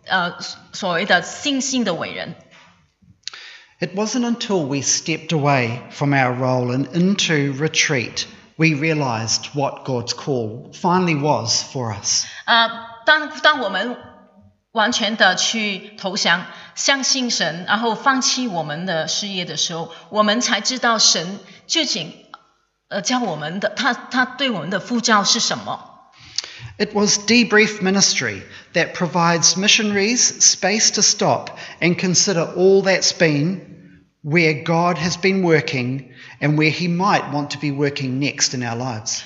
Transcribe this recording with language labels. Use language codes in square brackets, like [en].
[zh] 这些信心的伟人，所谓信心的伟人，虽然他们是那么大的信心，但是他们很多时候都失败，但是他们不断的一直信靠神，所以他们就成为我们所谓的信心的伟人。 [en] It wasn't until we stepped away from our role and into retreat we realized what God's call finally was for us. [zh] 当我们完全的去投降，相信神，然后放弃我们的事业的时候，我们才知道神究竟叫我们的他对我们的呼召是什么。 [en] It was debrief ministry that provides missionaries space to stop and consider all that's been, where God has been working, and where He might want to be working next in our lives.